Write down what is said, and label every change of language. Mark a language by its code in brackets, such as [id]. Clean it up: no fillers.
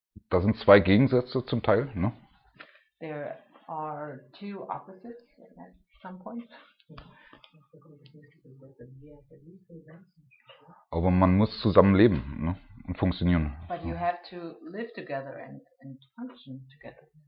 [de] Da sind zwei Gegensätze zum Teil, ne? [en] There are two opposites at some point. [de] Aber man muss zusammen leben, ne? Und funktionieren. [en] But you have to live together and function together.